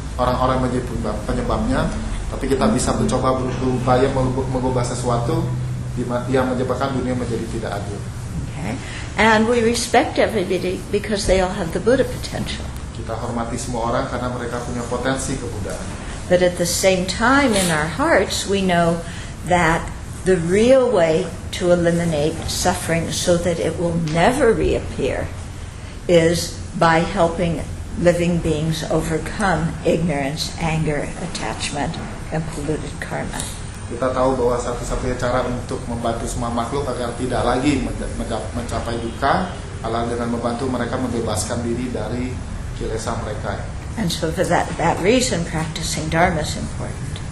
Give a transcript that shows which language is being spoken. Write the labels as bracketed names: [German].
[Indonesian] Orang-orang menjadi penyebabnya, tapi kita bisa mencoba berupaya mengubah sesuatu yang menyebabkan dunia menjadi tidak adil. [English] Okay. And we respect everybody because they all have the Buddha potential. [Indonesian] Kita hormati semua orang karena mereka punya potensi kebudayaan. [English] But at the same time, in our hearts, we know that the real way to eliminate suffering so that it will never reappear is by helping living beings overcome ignorance, anger, attachment, and polluted karma. [Indonesian] Kita tahu bahwa satu-satunya cara untuk membantu semua makhluk agar tidak lagi mencapai dukkha adalah dengan membantu mereka membebaskan diri dari kilesa mereka. [English] And so for that reason, practicing dharma is important.